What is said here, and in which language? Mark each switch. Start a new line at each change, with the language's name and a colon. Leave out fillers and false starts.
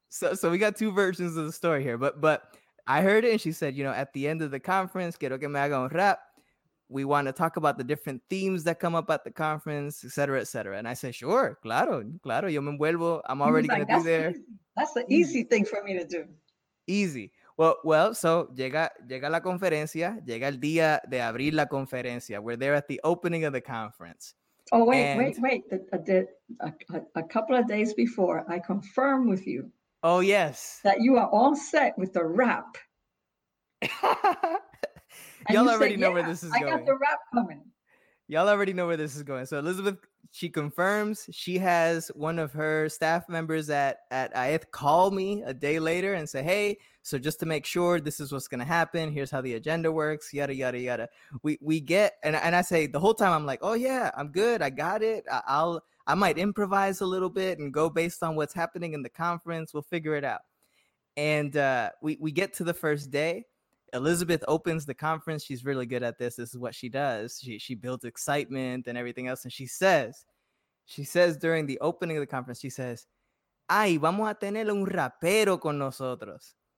English: So we got two versions of the story here. But I heard it and she said, you know, at the end of the conference,
Spanish: quiero que me haga un rap.
English: We want to talk about the different themes that come up at the conference, et cetera, et cetera. And I said, sure,
Spanish: claro, yo me envuelvo.
English: I'm already like, going to be there. Easy. That's the easy thing for me to do. Easy. Well.
Spanish: So llega la conferencia, llega el día de abrir la conferencia.
English: We're there at the opening of the conference. Oh, wait. A couple of days before, I confirm with you. Oh, yes. That you are all set with the rap. Y'all already know where this is going. I got the rap coming. Y'all already know where this is going. So Elizabeth, she confirms she has one of her staff members at AEZ call me a day later and say, hey, so just to make sure this is what's going to happen. Here's how the agenda works. Yada, yada, yada. We get and I say the whole time I'm like, oh, yeah, I'm good. I got it. I might improvise a little bit and go based on what's happening in the conference. We'll figure it out. And we get to the first day. Elizabeth opens the conference. She's really good at this. This is what she does. She builds excitement and everything else. And she says during the opening of the conference, she says,
Spanish: ay, vamos a tener un rapero con nosotros.